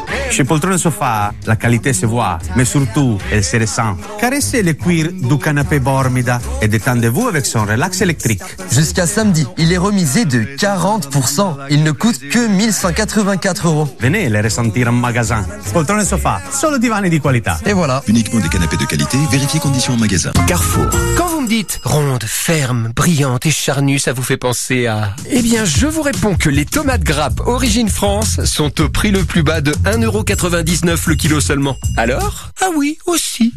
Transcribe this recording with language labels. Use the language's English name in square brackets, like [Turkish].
[French] Chez Poltrone Sofa, la qualité se voit, mais surtout, elle se ressent. Caressez le cuir du canapé Bormida et détendez-vous avec son relax électrique. Jusqu'à samedi, il est remisé de 40%. Il ne coûte que 1184 euros. Venez les ressentir en magasin. [Italian] Poltrone Sofa, solo divan di qualità. [French] Et voilà. Uniquement des canapés de qualité, vérifiez conditions en magasin. Carrefour. Quand vous me dites ronde, ferme, brillante et charnue, ça vous fait penser à... Eh bien, je vous réponds que les tomates grappes Origine France sont au prix le plus bas de 1,99€ le kilo seulement. Alors ? Ah oui, aussi.